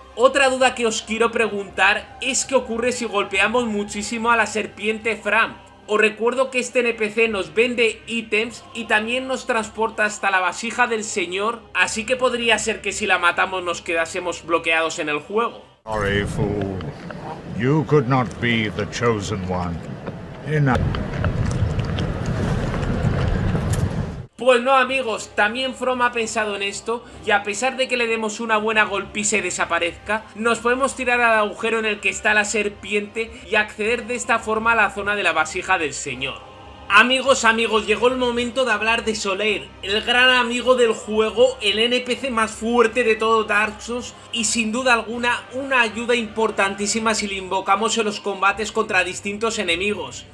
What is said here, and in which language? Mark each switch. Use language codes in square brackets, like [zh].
[es] Otra duda que os quiero preguntar es qué ocurre si golpeamos muchísimo a la serpiente Framp. Os recuerdo que este NPC nos vende ítems y también nos transporta hasta la vasija del señor, así que podría ser que si la matamos nos quedásemos bloqueados en el juego. [en] Sorry, fool. You could not be the chosen one. In a... [es] Pues no amigos, también Fromm ha pensado en esto y a pesar de que le demos una buena golpiza y desaparezca, nos podemos tirar al agujero en el que está la serpiente y acceder de esta forma a la zona de la vasija del señor. Amigos, llegó el momento de hablar de Solaire, el gran amigo del juego, el NPC más fuerte de todo Dark Souls y sin duda alguna una ayuda importantísima si le invocamos en los combates contra distintos enemigos.